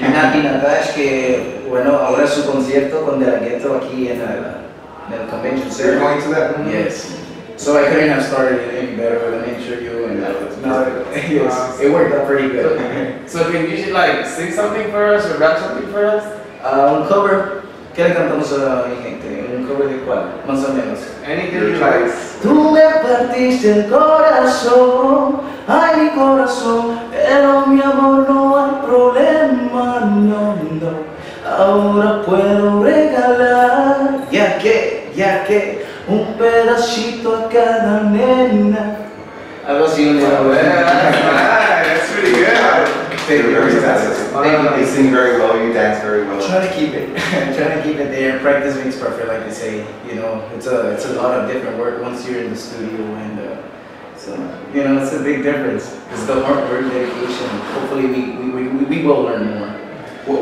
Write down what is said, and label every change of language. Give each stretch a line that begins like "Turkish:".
Spanish: Nati Natash, que bueno, ahora su concierto con De La Ghetto aquí en el convention center.
English: You're going to that? Mm-hmm. Yes. So I couldn't have started it any better with an interview and that. Yes, it worked out pretty good. So can you like sing something for us or rap something for us?
Spanish: Un cover. ¿Qué le cantamos a mi gente? Un cover de cuál? Más o menos.
English: Anything you like.
Spanish: Tú me partiste el corazón. Ay, mi corazón, pero mi amor no hay problema, no, no. Ahora puedo regalar, ya que, un pedacito a cada nena. Algo así, un
English: día. That's pretty good. You sing very well, you dance very well. I'm trying to keep it there. Practice makes perfect, like they say. You know, it's a lot of different work once you're in the studio and you know, it's a big difference. It's the hard work, dedication. Hopefully we will learn more.